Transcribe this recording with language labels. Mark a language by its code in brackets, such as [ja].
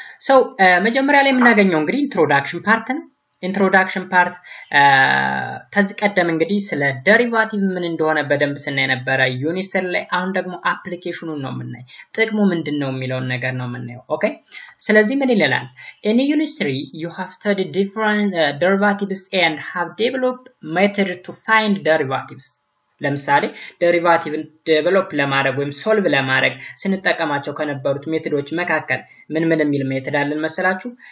[am] ሰው መጀመሪያ ላይ የምናገኘው እንግዲህ introduction part ነው። introduction part ከዚህ ቀደም እንግዲህ ስለ derivative ምን እንደሆነ በደንብ ስናይ ነበር unit 7 ላይ። አሁን ደግሞ application ነው ምን ጥቅሙ ምንድነው የሚለውን ነገር ነው ምን ነው። okay ስለዚህ ምን ይላል? [en] in unit 3 you have studied different derivatives and have developed method to find derivatives. [am] ለምሳሌ derivative develop ለማድረግ ወይም solve ለማድረግ ስንጠቀማቸው ከነበሩት methodዎች መካከል ምን ምን የሚል method አለን መሰላችሁ?